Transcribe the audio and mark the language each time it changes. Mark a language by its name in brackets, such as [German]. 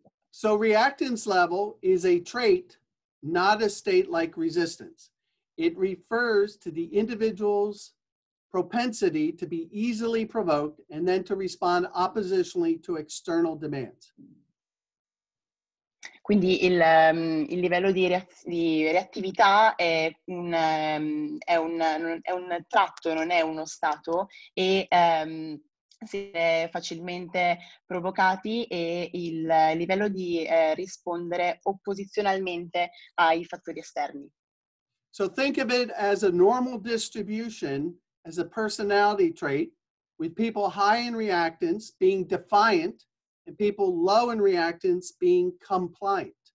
[English] So reactance level is a trait, not a state like resistance. It refers to the individual's propensity to be easily provoked and then to respond oppositionally to external demands. [Italian] Quindi il livello di reattività è un tratto, non è uno stato, e si è facilmente provocati, e il livello di rispondere opposizionalmente ai fattori esterni. [English] So think of it as a normal distribution, as a personality trait, with people high in reactance being defiant, and people low in reactance being compliant.